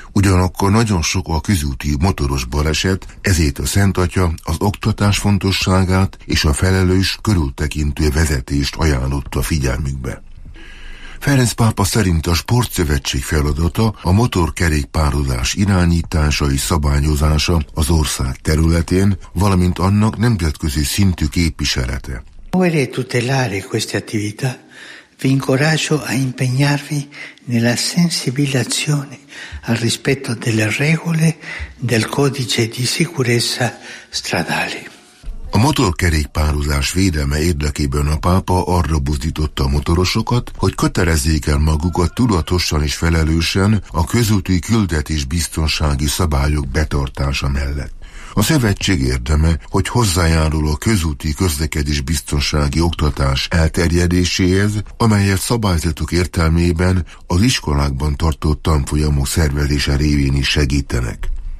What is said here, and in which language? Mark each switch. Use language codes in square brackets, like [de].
[hu] Ugyanakkor nagyon sok a közúti motoros baleset, ezért a Szentatya az oktatás fontosságát és a felelős, körültekintő vezetést ajánlotta figyelmükbe. Ferenc pápa szerint a sportszövetség feladata a motorkerékpározás irányítása és szabályozása az ország területén, valamint annak nemzetközi szintű képviselete. [it] Vorrei tutelare queste attività, vi incoraggio a impegnarvi nella sensibilizzazione al rispetto delle regole del codice di sicurezza stradale. [hu] A motorkerékpározás védelme érdekében a pápa arra buzdította a motorosokat, hogy kötelezzék el magukat tudatosan és felelősen a közúti küldetés biztonsági szabályok betartása mellett. A szövetség érdeme, hogy hozzájárul a közúti közlekedés biztonsági oktatás elterjedéséhez, amelyet szabályzatok értelmében az iskolákban tartott tanfolyamok szervezése révén is segítenek.